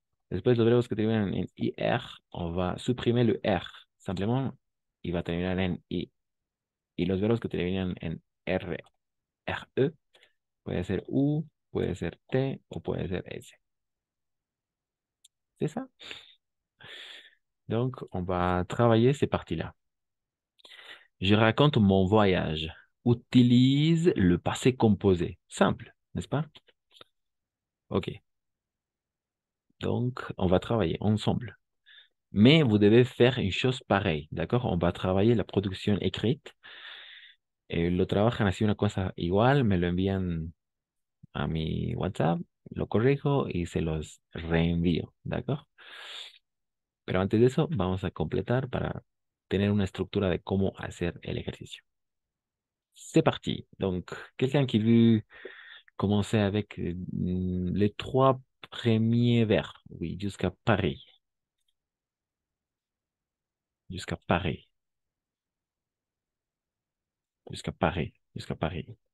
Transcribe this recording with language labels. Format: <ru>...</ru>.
<es>Después, los verbos que terminan en IR,</es> <fr>on va supprimer le R. Simplement,</fr> <es>y va a terminar en I. Y los verbos que terminan en R, RE, puede ser U, puede ser T o puede ser S. ¿Es eso?</es> <fr>Donc, on va travailler ces parties-là. Je raconte mon voyage. Utilise le passé composé. Simple, n'est-ce pas? OK. Donc, on va travailler ensemble. Mais vous devez faire une chose pareille, d'accord? On va travailler la production écrite.</fr> <es>Et lo trabajan así una cosa igual, me lo envían a mi WhatsApp, lo corrijo y se los reenvío, ¿de acuerdo? Pero antes de eso, vamos a completar para tener una estructura de cómo hacer el ejercicio.</es> <fr>C'est parti. Donc, quelqu'un qui veut commencer avec les trois premiers vers, oui, jusqu'à Paris. Jusqu'à Paris. Jusqu'à Paris, jusqu'à Paris.</fr>